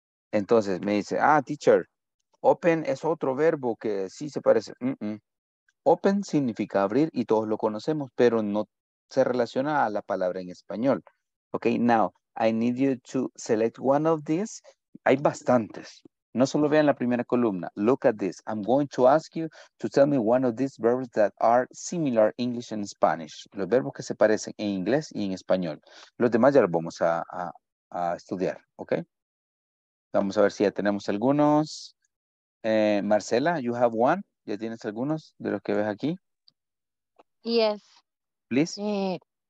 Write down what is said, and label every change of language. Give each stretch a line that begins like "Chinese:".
Spanish: Entonces me dice, teacher, open es otro verbo que sí se parece. Mm-mm. Open significa abrir y todos lo conocemos, pero no se relaciona a la palabra en español.
English: Ok, now, I need you to select one of these.
Spanish: Hay bastantes. No solo vean la primera columna.
English: Look at this. I'm going to ask you to tell me one of these verbs that are similar in English and Spanish.
Spanish: Los verbos que se parecen en inglés y en español. Los demás ya los vamos a estudiar, ¿ok? Vamos a ver si ya tenemos algunos. Marcela,
English: you have one.
Spanish: ¿Ya tienes algunos de los que ves aquí?
English: Yes. Please.